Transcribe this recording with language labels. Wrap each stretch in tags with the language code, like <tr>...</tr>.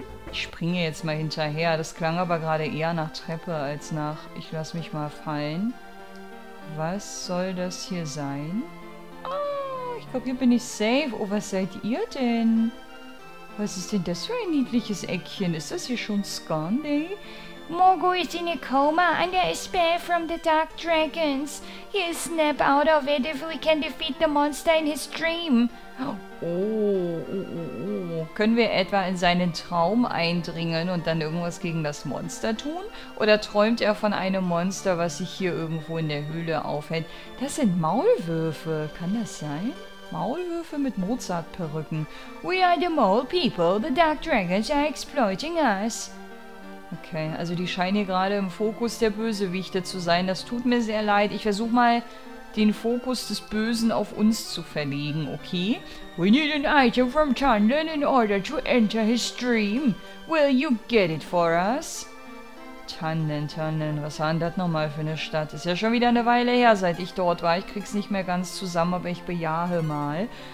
<de>Ich springe jetzt mal hinterher. Das klang aber gerade eher nach Treppe als nach ich lass mich mal fallen. Was soll das hier sein? Ah, ich glaube, hier bin ich safe. Oh, was seid ihr denn? Was ist denn das für ein niedliches Eckchen? Ist das hier schon Scandi?</de> <en>Mogu is in a coma under a spell from the Dark Dragons. He'll snap out of it if we can defeat the monster in his dream. Oh.</en> <de>Können wir etwa in seinen Traum eindringen und dann irgendwas gegen das Monster tun? Oder träumt er von einem Monster, was sich hier irgendwo in der Höhle aufhält? Das sind Maulwürfe. Kann das sein? Maulwürfe mit Mozart-Perücken.</de> <en>We are the mole people. The Dark Dragons are exploiting us.</en> <de>Okay, also die scheinen hier gerade im Fokus der Bösewichte zu sein. Das tut mir sehr leid. Ich versuche mal, den Fokus des Bösen auf uns zu verlegen, okay?</de> <en>We need an item from Tundin in order to enter his stream. Will you get it for us?</en> <de>Tundin. Was war denn das nochmal für eine Stadt? Ist ja schon wieder eine Weile her, seit ich dort war. Ich krieg's nicht mehr ganz zusammen, aber ich bejahe mal.</de>